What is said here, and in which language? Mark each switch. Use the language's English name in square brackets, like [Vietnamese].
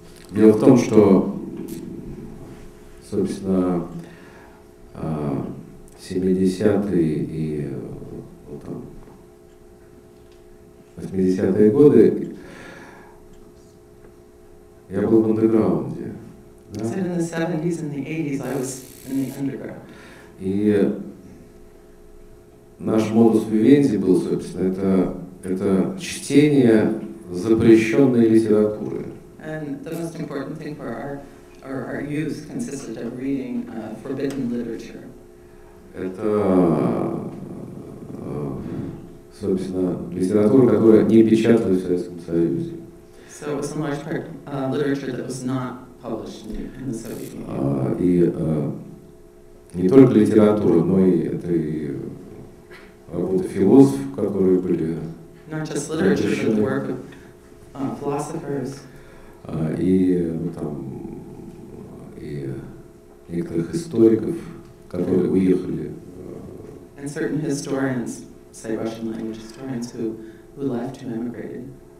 [Russian] Дело в том, что собственно, 70-е и там, 80-е годы я был в андеграунде. Да? [English] So in the 70s and the 80s, I was in the underground. [Russian] И наш модус вивенди был, собственно, это чтение запрещенной литературы. [English] And the most important thing for our youth consisted of reading forbidden literature. [Russian] Это, собственно, литература, которая не печаталась в Советском Союзе. [English] So it was in large part literature that was not published in the Soviet Union. [Russian] И не только литература, но и это и работы философов, которые были. [English] Not just literature, but the work of philosophers. [Russian] И некоторых историков, которые уехали. [English] And certain historians, say Russian language historians, who left and emigrated.